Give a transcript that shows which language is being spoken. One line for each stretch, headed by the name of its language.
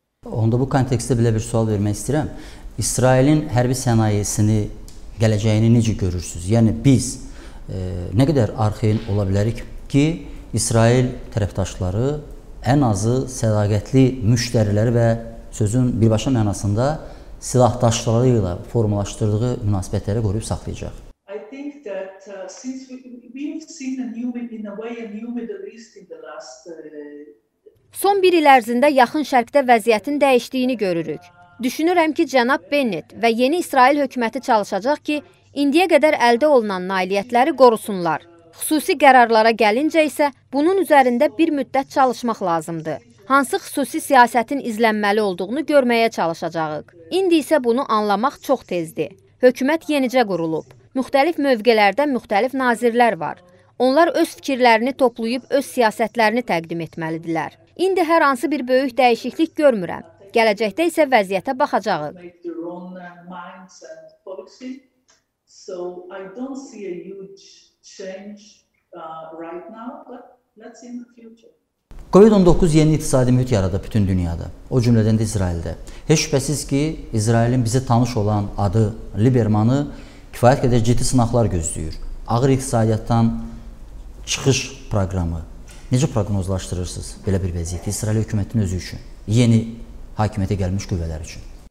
Azerbaijani: Onda bu kontekstdə belə bir sual vermək istəyirəm. İsrailin hərbi sənayesini gələcəyini necə görürsünüz? Yəni biz nə qədər arxayın ola bilərik ki, İsrail tərəfdaşları ən azı sədaqətli müştəriləri və sözün birbaşa mənasında silahdaşları ilə formalaşdırdığı münasibətləri qoruyub saxlayacaq.
English: I think that since we've seen a new in a way a new Middle East in the last
Azerbaijani: Son bir il ərzində Yaxın Şərqdə vəziyyətin dəyişdiyini görürük. Düşünürəm ki, cənab Bennett və yeni İsrail hökuməti çalışacaq ki, indiyə qədər əldə olunan nailiyyətləri qorusunlar. Xüsusi qərarlara gəlincə isə bunun üzərində bir müddət çalışmaq lazımdır. Hansı xüsusi siyasətin izlənməli olduğunu görməyə çalışacağıq. İndi isə bunu anlamaq çox tezdir. Hökumət yenicə qurulub. Müxtəlif mövqelərdə müxtəlif nazirlər var. Onlar öz fikirlərini toplayıb öz siyasətlərini təqdim etməlidirlər. İndi hər hansı bir böyük dəyişiklik görmürəm. Gələcəkdə isə vəziyyətə baxacağıq.
English: So I don't see a huge change right now, but let's see in the future.
Azerbaijani: COVID-19 yeni iqtisadi mühit yaradı bütün dünyada, o cümlədən də İsraildə. Heç şübhəsiz ki, İsrailin bizi tanış olan adı Libermanı kifayət qədər ciddi sınaqlar gözləyir. Ağır iqtisadiyyatdan çıxış proqramı. Necə proqnozlaşdırırsınız belə bir vəziyyəti İsrail hökumətinin özü üçün, yeni hakimiyyətə gəlmiş qüvvələr üçün?